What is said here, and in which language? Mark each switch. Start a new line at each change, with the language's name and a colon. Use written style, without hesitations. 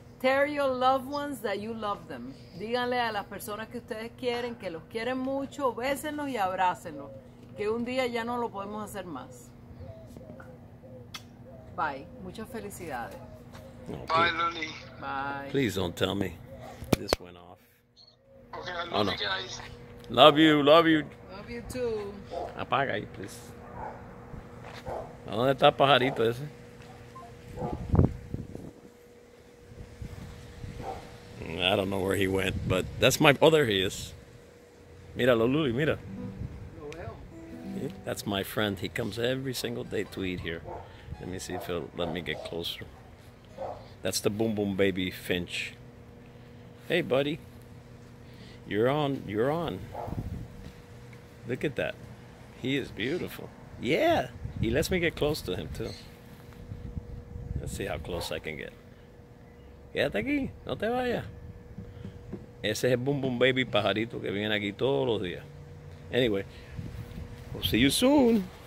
English: Tell your loved ones that you love them.
Spanish: Díganle a las personas que ustedes quieren que los quieren mucho. Bésenlos y abrácenlos. Que un día ya no lo podemos hacer más. Bye. Muchas felicidades.
English: Okay. Bye, Luli. Bye. Please don't tell me. This went off. Okay, I love you guys. Love you, love you. Love you too.
Spanish: Apaga ahí, please. ¿Dónde está el pajarito ese?
English: I don't know where he went, but that's my... Oh, there he is.
Spanish: Míralo, Luli, mira. Lo veo.
English: That's my friend. He comes every single day to eat here. Let me see if he'll let me get closer. That's the Boom Boom Baby Finch. Hey, buddy. You're on. Look at that. He is beautiful. Yeah. He lets me get close to him, too. Let's see how close I can get.
Spanish: Quédate aquí. No te vayas. Ese es el Boom Boom Baby pajarito que viene aquí todos los días.
English: Anyway, we'll see you soon.